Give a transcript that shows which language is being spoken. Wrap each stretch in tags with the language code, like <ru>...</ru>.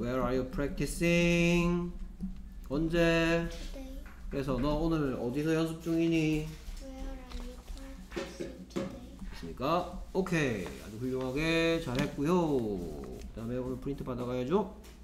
<en>Where are you practicing?</en> <ko>언제?</ko> <en>Today.</en> <ko>그래서 너 오늘 어디서 연습 중이니?</ko> <en>Where are you practicing today?</en> <ko>오케이. 아주 훌륭하게 잘했고요. 그 다음에 오늘 프린트 받아가야죠.</ko>